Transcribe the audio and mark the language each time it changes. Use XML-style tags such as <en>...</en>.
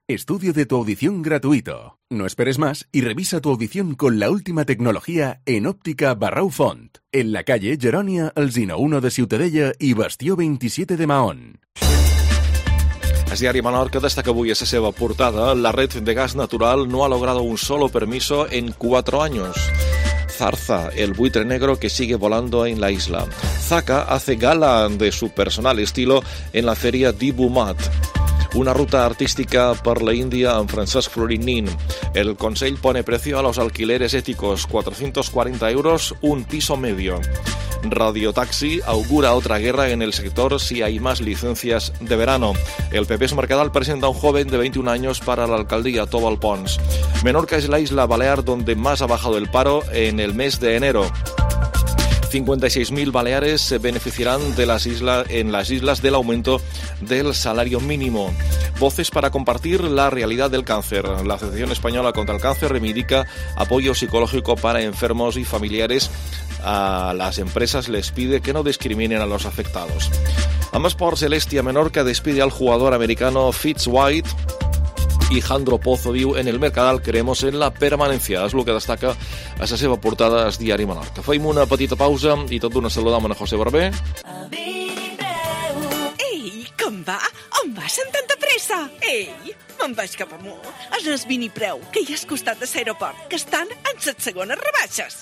<es>Estudio de tu audición gratuito. No esperes más y revisa tu audición con la última tecnología en Óptica Barrau Font. En la calle Gerònia, Alzina 1 de Ciutadella y Bastió 27 de Mahón.</es> <ca>El diari Menorca destaca avui a la seva portada:</ca> <es>la red de gas natural no ha logrado un solo permiso en 4 años. Zarza, el buitre negro que sigue volando en la isla. Zaca hace gala de su personal estilo en la feria Dibu Mat.</es> <ca>Una ruta artística per la Índia amb Francesc Florinín.</ca> <es>El Consell pone precio a los alquileres éticos, 440 euros, un piso medio. Radio Taxi augura otra guerra en el sector si hay más licencias de verano. El PP's Mercadal presenta a un joven de 21 años para la alcaldía Tobal Pons. Menorca es la isla balear donde más ha bajado el paro en el mes de enero. 56.000 baleares se beneficiarán de las islas, en las islas del aumento del salario mínimo. Voces para compartir la realidad del cáncer. La Asociación Española contra el Cáncer reivindica apoyo psicológico para enfermos y familiares. A las empresas les pide que no discriminen a los afectados. Ambas por Celestia Menorca despide al jugador americano Fitz White. Y Jandro Pozo diu: en el Mercadal creemos en la permanencia.</es> <ca>És el que destaca a la seva portada al diari Menorca. Fem una petita pausa i tot d'una saludam a José Barber. Ei, com va? On vas amb tanta pressa? Ei, me'n vaig cap amunt. És el Vinipreu, que hi has costat a l'aeroport, que estan en set segones rebaixes.</ca>